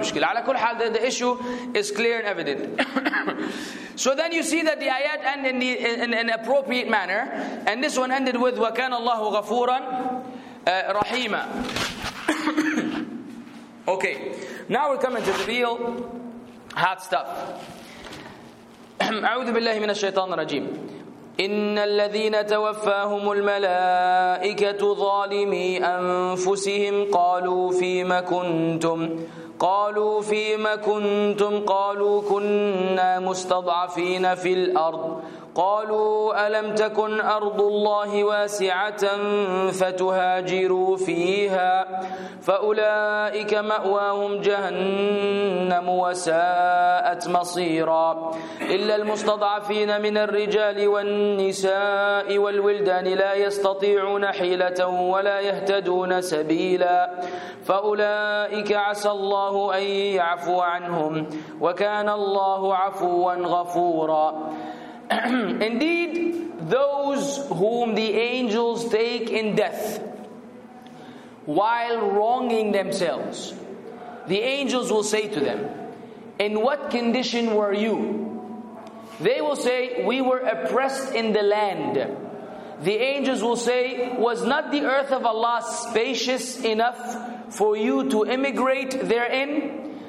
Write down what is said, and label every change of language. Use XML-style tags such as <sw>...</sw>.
<ar>على كل حال,</ar> <en>the issue is clear and evident. So then you see that the ayat end in an appropriate manner, and this one ended with</en> <ar>wa kana Allahu ghafuran rahima.</ar> <en>Okay, now we're coming to the real hot stuff.</en> <ar>أعوذ بالله من الشيطان الرجيم. إن الذين توفاهم الملائكة ظالمي أنفسهم قالوا فيما كنتم قالوا فيما كنتم قالوا كنا مستضعفين في الأرض قالوا ألم تكن أرض الله واسعة فتهاجروا فيها فأولئك مأواهم جهنم وساءت مصيرا إلا المستضعفين من الرجال والنساء والولدان لا يستطيعون حيلة ولا يهتدون سبيلا فأولئك عسى الله أن يعفو عنهم وكان الله عفوا غفورا.</ar> <en>Indeed, those whom the angels take in death while wronging themselves, the angels will say to them, in what condition were you? They will say, we were oppressed in the land. The angels will say, was not the earth of Allah spacious enough for you to immigrate therein?</en>